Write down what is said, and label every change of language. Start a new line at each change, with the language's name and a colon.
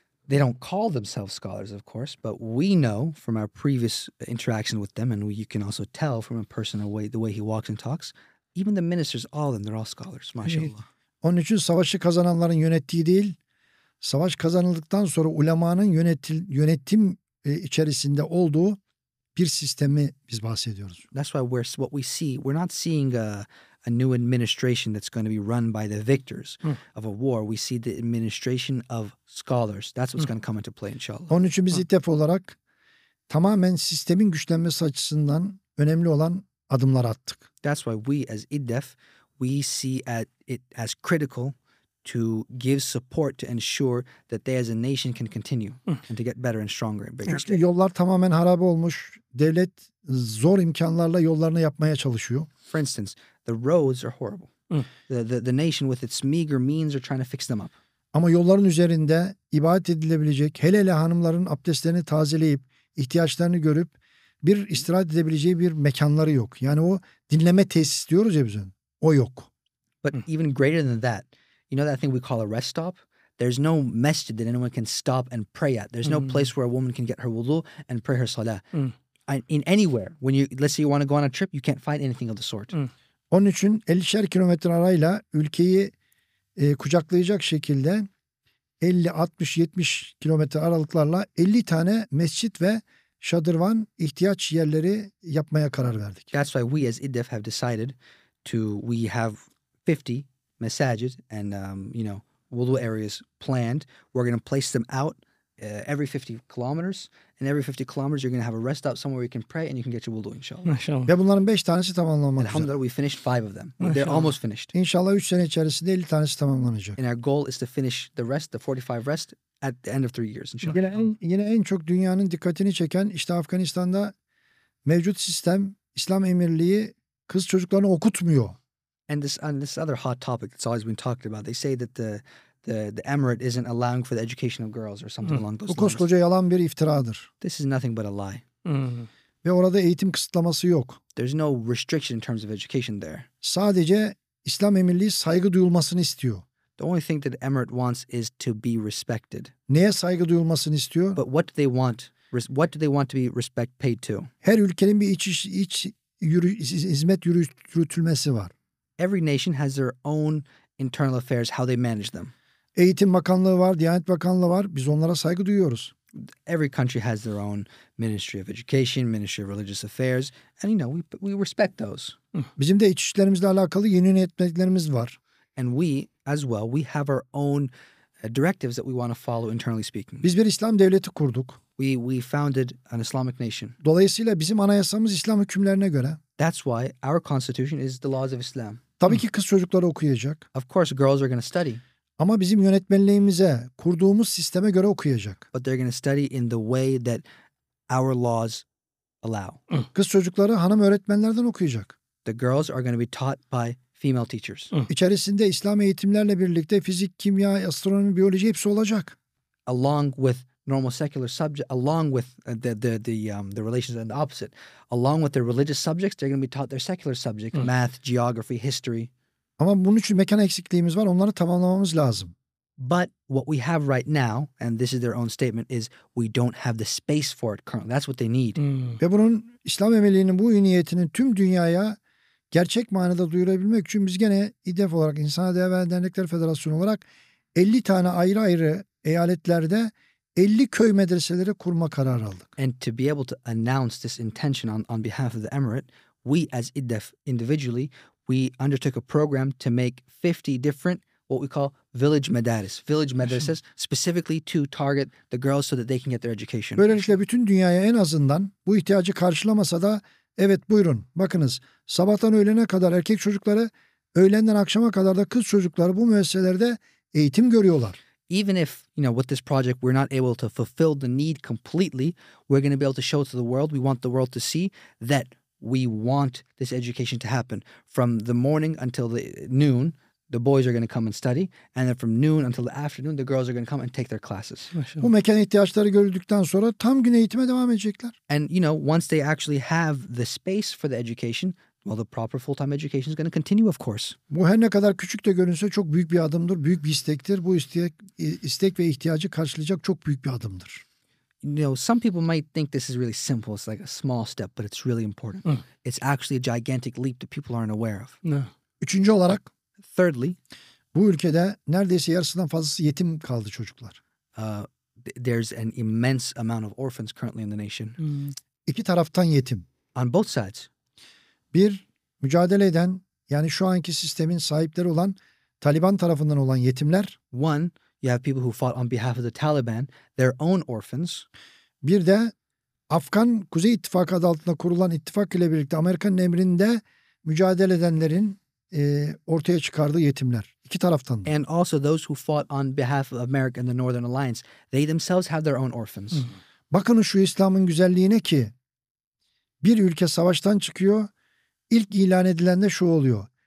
English: they don't call themselves scholars, of course, but we know from our previous interaction with them, and you can also tell from a person the way he walks and talks, even the ministers, all of them, they're all scholars, maşallah.
Turkish: Onun için savaşı kazananların yönettiği değil, savaş kazanıldıktan sonra ulemanın yönetim içerisinde olduğu bir sistemi biz bahsediyoruz.
English: That's why what we see, we're not seeing a new administration that's going to be run by the victors of a war. We see the administration of scholars. That's what's going to come into play inshallah.
Turkish: Onun için biz İTEF olarak tamamen sistemin güçlenmesi açısından önemli olan adımlar attık.
English: That's why we as İTEF, we see it as critical to give support to ensure that they as a nation can continue and to get better and stronger and bigger.
Turkish: İşte yollar tamamen harap olmuş. Devlet zor imkanlarla yollarını yapmaya çalışıyor.
English: For instance, the roads are horrible. The nation with its meager means are trying to fix them up.
Turkish: Ama yolların üzerinde ibadet edilebilecek, hele hele hanımların abdestlerini tazeleyip ihtiyaçlarını görüp bir istirahat edebileceği bir mekanları yok. Yani o dinleme tesis diyoruz ya biz onu. O yok.
English: But even greater than that, you know that thing we call a rest stop? There's no masjid that anyone can stop and pray at. There's no place where a woman can get her wudu and pray her salah. In anywhere, when you, let's say you want to go on a trip, you can't find anything of the sort.
Turkish: Onun için 50'şer kilometre arayla ülkeyi kucaklayacak şekilde 50, 60, 70 kilometre aralıklarla 50 tane mescit ve şadırvan ihtiyaç yerleri yapmaya karar verdik.
English: That's why we as İDEF have decided to, we have 50 masajid and, you know, wudu areas planned. We're going to place them out every 50 kilometers. And every 50 kilometers you're going to have a rest stop somewhere you can pray and you can get your wudu, inshallah.
Turkish: Maşallah. Ve bunların 5 tanesi tamamlanmak üzere.
English: Alhamdulillah, we finished 5 of them. Maşallah. They're almost finished.
Turkish: İnşallah 3 sene içerisinde 50 tanesi tamamlanacak.
English: And our goal is to finish the rest, the 45 rest, at the end of 3 years, inshallah.
Turkish: Yine en çok dünyanın dikkatini çeken, işte Afganistan'da mevcut sistem, İslam emirliği kız çocuklarını okutmuyor.
English: And this other hot topic that's always been talked about. They say that the emirate isn't allowing for the education of girls or something along those lines.
Turkish: Bu koskoca yalan bir iftiradır.
English: This is nothing but a lie.
Turkish: Ve orada eğitim kısıtlaması yok.
English: There's no restriction in terms of education there.
Turkish: Sadece İslam emirliği saygı duyulmasını istiyor.
English: The only thing that the emirate wants is to be respected. Neye saygı duyulmasını istiyor? But what do they want? What do they want to be respect paid to?
Turkish: Her ülkenin bir hizmet yürütülmesi var.
English: Every nation has their own internal affairs, how they manage them.
Turkish: Eğitim Bakanlığı var, Diyanet Bakanlığı var. Biz onlara saygı duyuyoruz.
English: Every country has their own Ministry of Education, Ministry of Religious Affairs. And you know, we respect those.
Turkish: Bizim de iç işlerimizle alakalı yeni yönetmeliklerimiz var.
English: And we, as well, we have our own directives that we want to follow internally speaking.
Turkish: Biz bir İslam devleti kurduk.
English: We founded an Islamic nation.
Turkish: Dolayısıyla bizim anayasamız İslam hükümlerine göre.
English: That's why our constitution is the laws of Islam.
Turkish: Tabii ki kız çocukları okuyacak.
English: Of course girls are going to study.
Turkish: Ama bizim yönetmeliğimize, kurduğumuz sisteme göre okuyacak.
English: But they're going to study in the way that our laws allow.
Turkish: Kız çocukları hanım öğretmenlerden okuyacak.
English: The girls are going to be taught by female teachers.
Turkish: İçerisinde İslam eğitimlerle birlikte fizik, kimya, astronomi, biyoloji hepsi olacak.
English: Along with normal secular subject, along with the relations and the opposite, along with their religious subjects, they're going to be taught their secular subject, math, geography, history.
Turkish: Ama bunun için mekan eksikliğimiz var. Onları tamamlamamız lazım.
English: But what we have right now, and this is their own statement, is we don't have the space for it currently. That's what they need.
Turkish: Ve bunun İslam emirliğinin bu niyetinin tüm dünyaya gerçek manada duyurabilmek için biz gene İDEF olarak İnsana Değer Veren Dernekler Federasyonu olarak 50 tane ayrı ayrı eyaletlerde 50 köy medreseleri kurma kararı aldık.
English: And to be able to announce this intention on behalf of the emirate, we as İDEF individually, we undertook a program to make 50 different what we call village medreses specifically to target the girls so that they can get their education.
Turkish: Böylelikle bütün dünyaya en azından bu ihtiyacı karşılamasa da evet buyurun bakınız sabahtan öğlene kadar erkek çocukları, öğlenden akşama kadar da kız çocukları bu müesselerde eğitim görüyorlar.
English: Even if, you know, with this project we're not able to fulfill the need completely, we're going to be able to show to the world, we want the world to see that we want this education to happen. From the morning until the noon, the boys are going to come and study. And then from noon until the afternoon, the girls are going to come and take their classes.
Turkish: Bu mekan ihtiyaçları görüldükten sonra tam gün eğitime devam edecekler.
English: And, you know, once they actually have the space for the education, Well, the proper full-time education is going to continue, of course.
Turkish: Bu her ne kadar küçük de görünse çok büyük bir adımdır, büyük bir istektir. Bu istek ve ihtiyacı karşılayacak çok büyük bir adımdır.
English: You know, some people might think this is really simple. It's like a small step, but it's really important. Mm. It's actually a gigantic leap that people aren't aware of. No.
Turkish: Üçüncü olarak.
English: Thirdly.
Turkish: Bu ülkede neredeyse yarısından fazlası yetim kaldı çocuklar.
English: There's an immense amount of orphans currently in the nation. Mm.
Turkish: İki taraftan yetim.
English: On both sides.
Turkish: Bir, mücadele eden, yani şu anki sistemin sahipleri olan, Taliban tarafından olan yetimler.
English: One, you have people who fought on behalf of the Taliban, their own orphans.
Turkish: Bir de, Afgan Kuzey İttifakı adı altında kurulan ittifak ile birlikte Amerika'nın emrinde mücadele edenlerin ortaya çıkardığı yetimler. İki taraftan da.
English: And also those who fought on behalf of America and the Northern Alliance, they themselves have their own orphans.
Turkish: Bakın şu İslam'ın güzelliğine ki, bir ülke savaştan çıkıyor, İlk ilan edilen de şu oluyor.